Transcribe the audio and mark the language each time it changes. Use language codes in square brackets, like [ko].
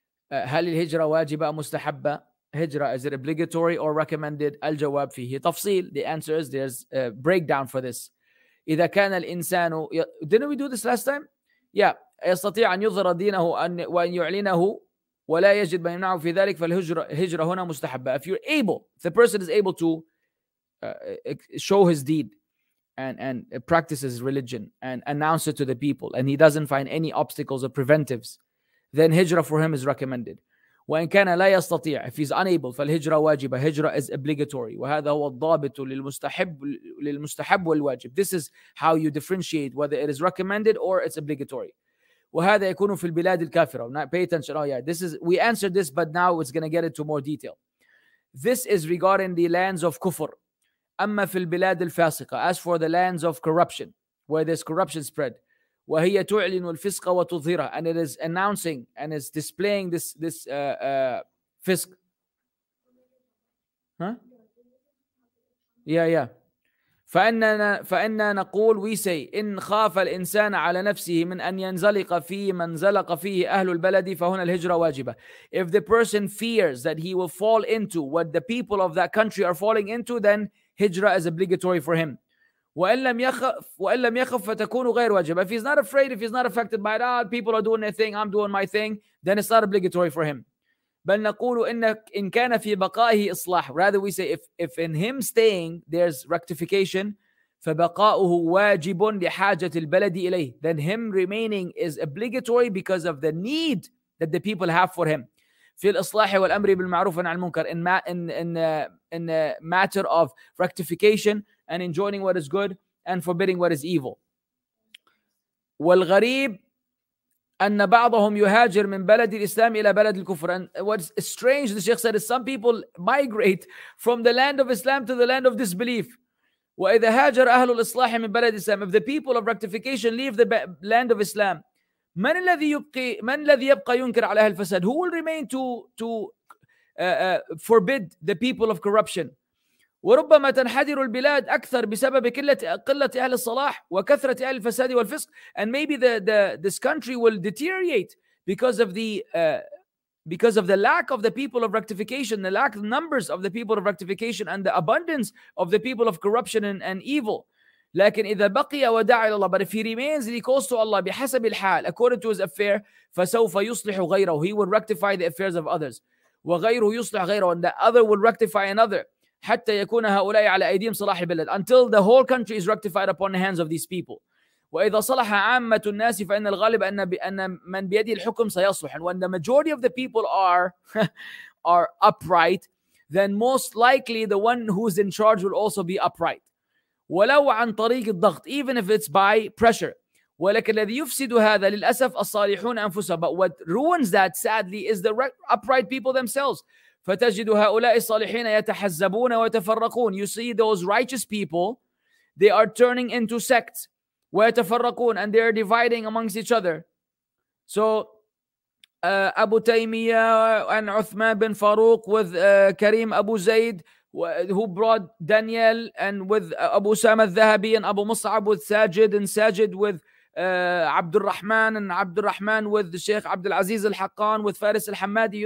[ar] هل الهجرة واجبة أم مستحبة؟ هجرة, [en] is it obligatory or recommended؟ [ar] الجواب فيه تفصيل. [en] The answer is there's a breakdown for this. [ar] إذا كان الإنسان, [en] didn't we do this last time? Yeah. [ar] يستطيع أن يظهر دينه وأن يعلنه ولا يجد من يمنعه في ذلك فالهجرة هجرة هنا مستحبة. [en] If you're able, the person is able to show his deed and practice his religion and announce it to the people and he doesn't find any obstacles or preventives, then hijrah for him is recommended. [ar] وَإِنْ كَانَ لَا يَسْتَطِيعَ, [en] if he's unable, [ar] فَالْهِجْرَ وَاجِبَ, [en] hijrah is obligatory. [ar] وَهَذَا هُوَ الضَّابِطُ لِلْمُسْتَحَبُ وَالْوَاجِبُ. [en] This is how you differentiate whether it is recommended or it's obligatory. [ar] وَهَذَا يَكُونُ فِي الْبِلَادِ الْكَافِرَةِ. [en] Now pay attention. Oh yeah, this is, we answered this, but now it's going to get into more detail. This is regarding the lands of kufr. [ar] أَمَّا فِي الْبِلَادِ الْفَاسِقَةِ, [en] as for the lands of corruption, where there's corruption spread. [ar] وهي تعلن الفسق وتظهره, [en] and it is announcing and is displaying this fisk. Huh? Yeah. [ar] فإننا نقول, [en] we say, [ar] إن خاف الإنسان على نفسه من أن ينزلق في من زلق فيه أهل البلد فهنا الهجرة واجبة. [en] If the person fears that he will fall into what the people of that country are falling into, then hijra is obligatory for him. [ar] وَإِلَّمْ يَخَفْ فَتَكُونُ غَيْرُ وَاجِبًا. [en] If he's not afraid, if he's not affected by it, oh, people are doing their thing, I'm doing my thing, then it's not obligatory for him. [ar] بَلْ نَقُولُ إِنَّكَ إِنْ كَانَ فِي بَقَائِهِ إِصْلَاحٌ. [en] Rather we say, if in him staying there's rectification, [ar] فَبَقَاؤُهُ وَاجِبٌ لِحَاجَةِ الْبَلَدِ إِلَيْهِ, [en] then him remaining is obligatory because of the need that the people have for him. [ar] في الإصلاح والأمر بالمعروف عن المنكر, [en] in a matter of rectification and enjoining what is good and forbidding what is evil. [ar] والغريب أن بعضهم يهاجر من بلد الإسلام إلى بلد الكفر. [en] And what's strange, the Sheikh said, is some people migrate from the land of Islam to the land of disbelief. [ar] وإذا هاجر أهل الإصلاح من بلد الإسلام, [en] if the people of rectification leave the land of Islam, [ar] من الذي يبقى ينكر على أهل الفساد? [en] Who will remain to forbid the people of corruption? [ar] وربما تنحدر البلاد أكثر بسبب قلة أهل الصلاح وكثرة أهل الفساد والفسق. [en] And maybe this country will deteriorate because of the lack of the people of rectification, the lack of numbers of the people of rectification, and the abundance of the people of corruption and evil. [ar] لكن إذا بقي ودعا إلى الله, [en] but if he remains and he calls to Allah [ar] بحسب الحال, [en] according to his affair, [ar] فسوف يصلح غيره, [en] he will rectify the affairs of others. [ar] وغيره يصلح غيره, [en] and the other will rectify another, [ar] حتى يكون هؤلاء على أيديهم صلاح البلد, [en] until the whole country is rectified upon the hands of these people. [ar] وإذا صلح عامة الناس فإن الغالب أن من بيده الحكم سيصلح, [en] and when the majority of the people are upright, then most likely the one who's in charge will also be upright. [ar] ولو عن طريق الضغط, [en] even if it's by pressure. [ar] ولكن الذي يفسد هذا للأسف الصالحون أنفسهم, [en] but what ruins that sadly is the upright people themselves. [ar] فتجد هؤلاء الصالحين يتحزبون ويتفرقون. [en] You see those righteous people, they are turning into sects. [ar] ويتفرقون, [en] and they are dividing amongst each other. So Abu Taymiyyah and Uthman bin Farooq with Karim Abu Zayd, who brought Daniel, and with Abu Usama al-Dhahabi, and Abu Mus'ab with Sajid, and Sajid with Abdul Rahman, and Abdul Rahman with the Sheikh Abdul Aziz al-Haqqan, with Faris al-Hammadi.